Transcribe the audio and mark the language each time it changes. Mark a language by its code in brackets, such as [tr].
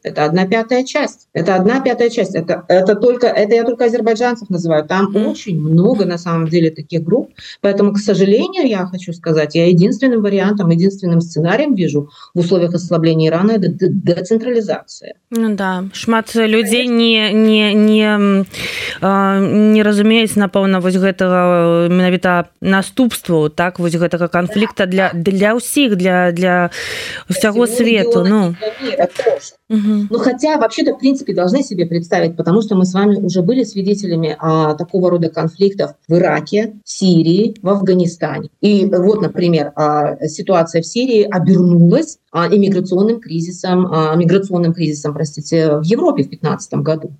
[ru] Это 1/5. Это 1/5. Это я только азербайджанцев называю. Там очень много, на самом деле, таких групп. Поэтому, к сожалению, я хочу сказать, я единственным вариантом, единственным сценарием вижу в условиях ослабления Ирана — это децентрализация. [be] Ну да, шмат людей не разумеюць, напэўна, вось гэтага менавіта наступства, так, вось гэтага канфлікта для ўсіх, для ўсяго свету. Ну. [ru] Ну, хотя вообще-то, в принципе, должны себе представить, потому что мы с вами уже были свидетелями такого рода конфликтов в Ираке, в Сирии, в Афганистане. И вот, например, ситуация в Сирии обернулась миграционным кризисом, в Европе в 2015 году.